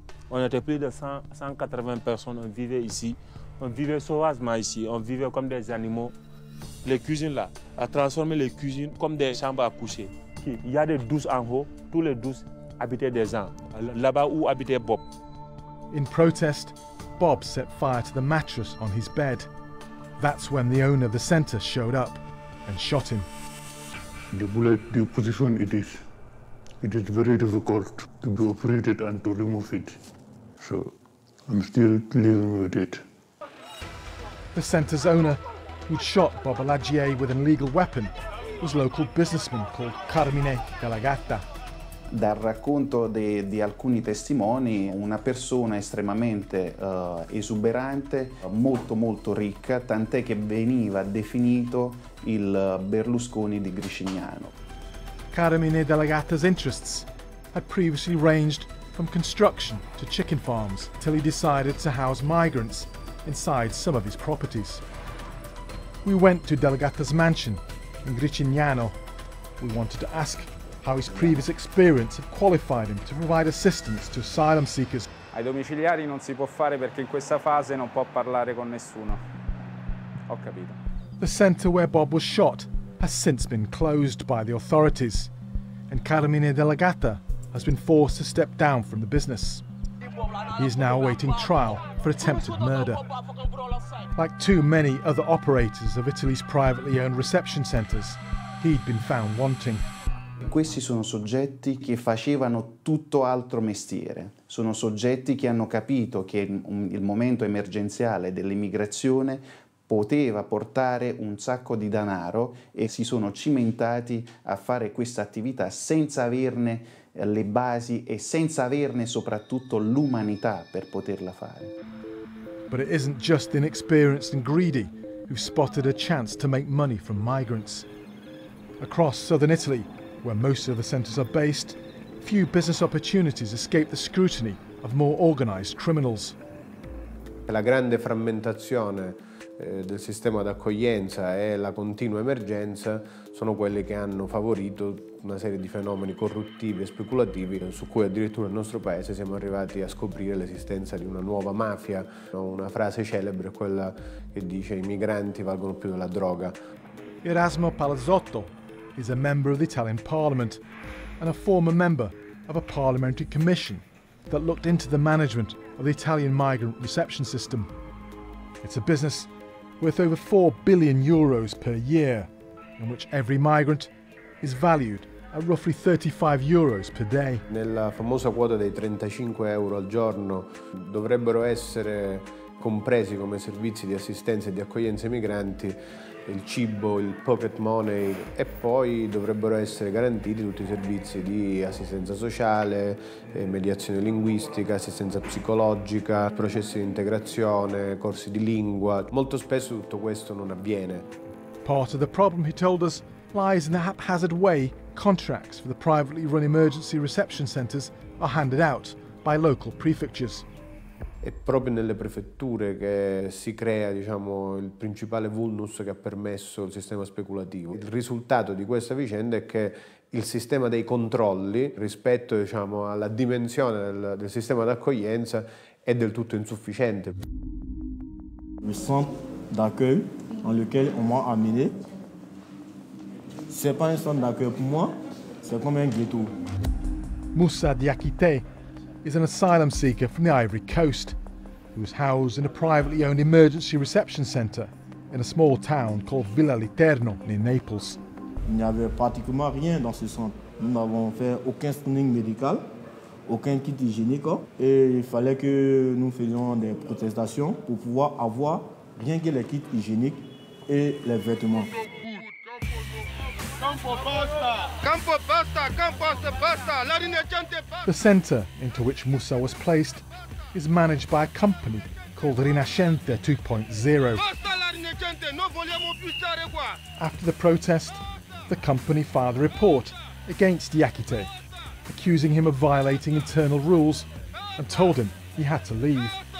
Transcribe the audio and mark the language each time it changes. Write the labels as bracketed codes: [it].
[fr] On était plus de 180 personnes, on vivait ici. On vivait sauvagement ici, on vivait comme des animaux. Les cuisines là, a transformé les cuisines comme des chambres à coucher. Il y a des douches en haut, tous les douches habitaient des gens, là-bas où habitait Bob. [en] In protest, Bob set fire to the mattress on his bed. That's when the owner of the centre showed up and shot him. The bullet, the position it is. It is very difficult to be operated and to remove it. So I'm still living with it. The centre's owner, who'd shot Bob Alagier with an illegal weapon, was local businessman called Carmine Galagata. [it] dal racconto di alcuni testimoni, una persona estremamente esuberante, molto molto ricca, tant'è che veniva definito il Berlusconi di Gricignano. [en] Carmine Delegata's interests had previously ranged from construction to chicken farms till he decided to house migrants inside some of his properties. We went to Delegata's mansion in Gricignano. We wanted to ask how his previous experience had qualified him to provide assistance to asylum seekers. [it] Ai domiciliari non si può fare perché in questa fase non può parlare con nessuno. Ho capito. [en] The center where Bob was shot has since been closed by the authorities, and Carmine Delegata has been forced to step down from the business. He is now awaiting trial for attempted murder. Like too many other operators of Italy's privately owned reception centers, he'd been found wanting. [it] Questi sono soggetti che facevano tutto altro mestiere. Sono soggetti che hanno capito che il momento emergenziale dell'immigrazione poteva portare un sacco di denaro e si sono cimentati a fare questa attività senza averne le basi e senza averne soprattutto l'umanità per poterla fare. [en] But it isn't just inexperienced and greedy who've spotted a chance to make money from migrants. Across southern Italy, where most of the centres are based, few business opportunities escape the scrutiny of more organised criminals. [it] La grande frammentazione del sistema d'accoglienza e la continua emergenza sono quelle che hanno favorito una serie di fenomeni corruttivi e speculativi su cui addirittura nel nostro paese siamo arrivati a scoprire l'esistenza di una nuova mafia. Una frase celebre è quella che dice: i migranti valgono più della droga. [en] Erasmo Palazzotto is a member of the Italian Parliament and a former member of a parliamentary commission that looked into the management of the Italian migrant reception system. It's a business worth over 4 billion euros per year, in which every migrant is valued at roughly 35 euros per day. [it] Nella famosa quota dei 35 euro al giorno dovrebbero essere compresi come servizi di assistenza e di accoglienza ai migranti il cibo, il pocket money, e poi dovrebbero essere garantiti tutti i servizi di assistenza sociale, mediazione linguistica, assistenza psicologica, processi di integrazione, corsi di lingua. Molto spesso tutto questo non avviene. [en] Part of the problem, he told us, lies in the haphazard way contracts for the privately run emergency reception centers are handed out by local prefectures. [it] È proprio nelle prefetture che si crea, diciamo, il principale vulnus che ha permesso il sistema speculativo. Il risultato di questa vicenda è che il sistema dei controlli rispetto, diciamo, alla dimensione del sistema d'accoglienza è del tutto insufficiente. Il centro [fr] d'accueil in lequel on m'a amené, c'est pas un centre d'accueil pour moi, c'est comme un ghetto. [en] Moussa Diakité is an asylum seeker from the Ivory Coast who is housed in a privately owned emergency reception center in a small town called Villa Literno near Naples. [fr] Il n'y avait pratiquement rien dans ce centre. Nous n'avons fait aucun screening médical, aucun kit hygiénique, et il fallait que nous faisions des protestations pour pouvoir avoir rien que les kits hygiéniques et les vêtements. [en] The center into which Moussa was placed is managed by a company called Rinascente 2.0. After the protest, the company filed a report against Diakité, accusing him of violating internal rules and told him he had to leave.